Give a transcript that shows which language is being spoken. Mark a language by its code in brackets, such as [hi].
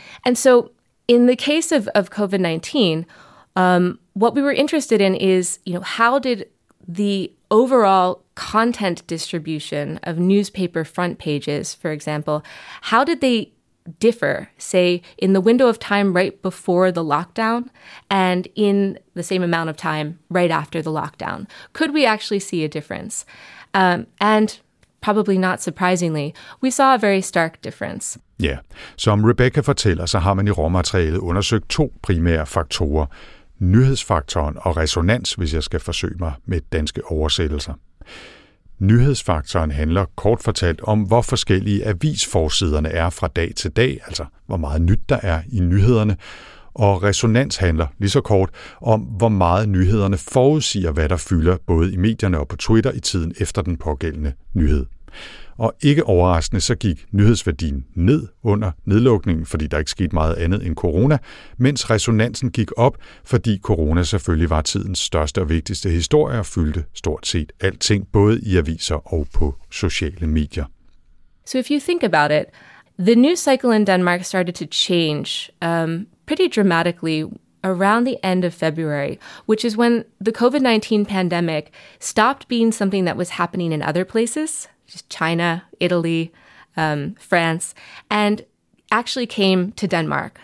[en] And so in the case of COVID-19, what we were interested in is, you know, how did the overall content distribution of newspaper front pages, for example, how did they differ, say, in the window of time right before the lockdown and in the same amount of time right after the lockdown? Could we actually see a difference? And probably not surprisingly, we saw a very stark difference. [da] Ja, som Rebecca fortæller, så har man i råmaterialet undersøgt 2 primære faktorer. Nyhedsfaktoren og resonans, hvis jeg skal forsøge mig med danske oversættelser. Nyhedsfaktoren handler kort fortalt om, hvor forskellige avisforsiderne er fra dag til dag, altså hvor meget nyt der er i nyhederne. Og resonans handler lige så kort om, hvor meget nyhederne forudsiger, hvad der fylder både i medierne og på Twitter i tiden efter den pågældende nyhed. Og ikke overraskende, så gik nyhedsværdien ned under nedlukningen, fordi der ikke skete meget andet end corona, mens resonansen gik op, fordi corona selvfølgelig var tidens største og vigtigste historie og fyldte stort set alting, både i aviser og på sociale medier. [en] So if you think about it, the news cycle in Denmark started to change pretty dramatically around the end of February, which is when the COVID-19 pandemic stopped being something that was happening in other places, just China, Italy, France, and actually came to Denmark.